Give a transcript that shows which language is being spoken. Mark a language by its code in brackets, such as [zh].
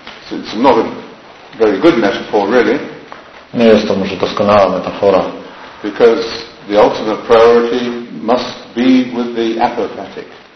[en] It's not a very good metaphor, really. [pl] Nie jest to może doskonała metafora. [en] Because the ultimate priority must be with the apophatic.